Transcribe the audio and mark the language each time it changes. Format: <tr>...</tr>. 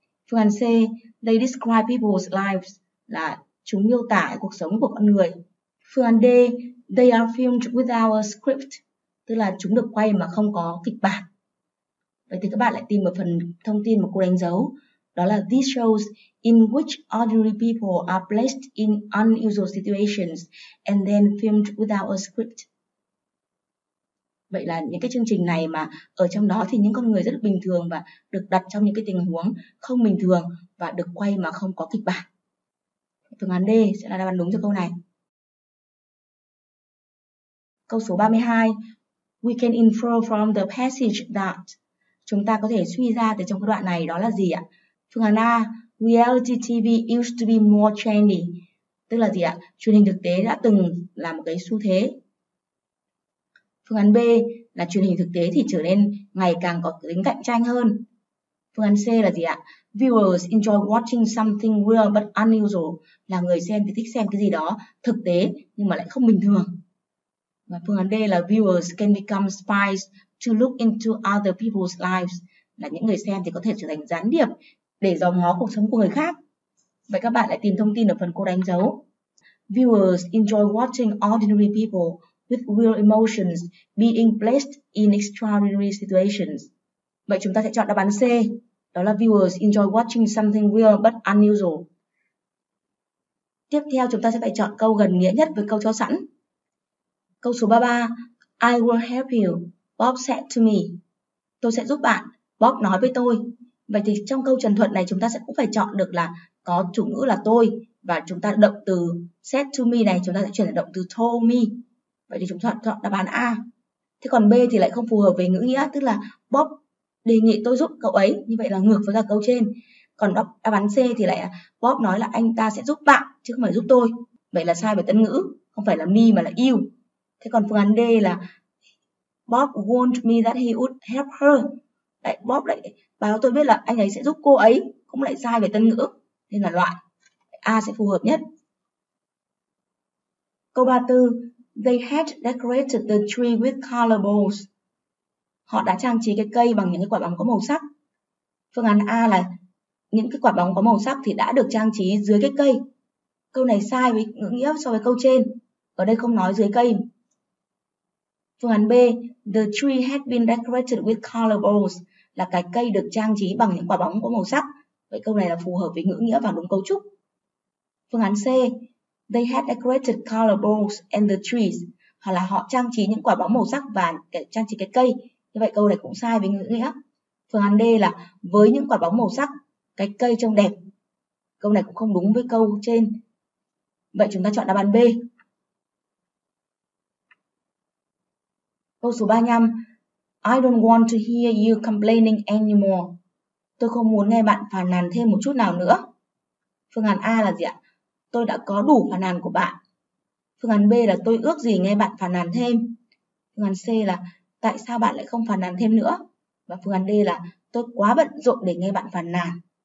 <vi>Phương án C,</vi> <en>they describe people's lives,</en> <vi>là chúng miêu tả cuộc sống của con người. Phương án D,</vi> <en>they are filmed without a script,</en> <vi>tức là chúng được quay mà không có kịch bản. Vậy thì các bạn lại tìm một phần thông tin mà cô đánh dấu. Đó là</vi> <en>these shows in which ordinary people are placed in unusual situations and then filmed without a script.</en> <vi>Vậy là những cái chương trình này mà ở trong đó thì những con người rất là bình thường và được đặt trong những cái tình huống không bình thường và được quay mà không có kịch bản. Phương án D sẽ là đáp án đúng cho câu này. Câu số 32.</vi> <en>We can infer from the passage that.</en> <vi>Chúng ta có thể suy ra từ trong cái đoạn này đó là gì ạ? Phương án A,</vi> <en>reality TV used to be more trendy.</en> <vi>Tức là gì ạ? Truyền hình thực tế đã từng là một cái xu thế. Phương án B là truyền hình thực tế thì trở nên ngày càng có tính cạnh tranh hơn. Phương án C là gì ạ?</vi> <en>Viewers enjoy watching something real but unusual,</en> <vi>là người xem thì thích xem cái gì đó thực tế nhưng mà lại không bình thường. Và phương án D là</vi> <en>viewers can become spies to look into other people's lives,</en> <vi>là những người xem thì có thể trở thành gián điệp để dò ngó cuộc sống của người khác. Vậy các bạn lại tìm thông tin ở phần cô đánh dấu.</vi> <en>Viewers enjoy watching ordinary people with real emotions being placed in extraordinary situations.</en> <vi>Vậy chúng ta sẽ chọn đáp án C, đó là</vi> <en>viewers enjoy watching something real but unusual.</en> <vi>Tiếp theo chúng ta sẽ phải chọn câu gần nghĩa nhất với câu cho sẵn. Câu số 33,</vi> <en>I will help you, Bob said to me.</en> <vi>Tôi sẽ giúp bạn, Bob nói với tôi. Vậy thì trong câu trần thuật này chúng ta sẽ cũng phải chọn được là có chủ ngữ là tôi và chúng ta động từ</vi> <en>said to me</en> <vi>này chúng ta sẽ chuyển thành động từ</vi> <en>told me.</en> <vi>Vậy thì chúng ta chọn đáp án A. Thế còn B thì lại không phù hợp với ngữ nghĩa, tức là Bob đề nghị tôi giúp cậu ấy, như vậy là ngược với cả câu trên. Còn đáp án C thì lại Bob nói là anh ta sẽ giúp bạn chứ không phải giúp tôi. Vậy là sai về tân ngữ, không phải là me mà là you. Thế còn phương án D là</vi> <en>Bob warned me that he would help her.</en> <vi>Đấy, Bob lại Báo tôi biết là anh ấy sẽ giúp cô ấy, cũng lại sai về tân ngữ, nên là loại A sẽ phù hợp nhất. Câu 34,</vi> <en>they had decorated the tree with color balls.</en> <vi>Họ đã trang trí cái cây bằng những cái quả bóng có màu sắc. Phương án A là những cái quả bóng có màu sắc thì đã được trang trí dưới cái cây. Câu này sai với ngữ nghĩa so với câu trên. Ở đây không nói dưới cây. Phương án B,</vi> <en>the tree had been decorated with color balls</en> <vi>là cái cây được trang trí bằng những quả bóng có màu sắc. Vậy câu này là phù hợp với ngữ nghĩa và đúng cấu trúc. Phương án C,</vi> <en>they had decorated color balls and the trees.</en> <vi>Hoặc là họ trang trí những quả bóng màu sắc và trang trí cái cây. Như vậy câu này cũng sai với ngữ nghĩa. Phương án D là với những quả bóng màu sắc, cái cây trông đẹp. Câu này cũng không đúng với câu trên. Vậy chúng ta chọn đáp án B. Câu số 35.</vi> <en>I don't want to hear you complaining anymore.</en> <vi>Tôi không muốn nghe bạn phàn nàn thêm một chút nào nữa. Phương án A là gì ạ? Tôi đã có đủ phàn nàn của bạn. Phương án B là tôi ước gì nghe bạn phàn nàn thêm. Phương án C là tại sao bạn lại không phàn nàn thêm nữa? Và phương án D là tôi quá bận rộn để nghe bạn phàn nàn.</vi>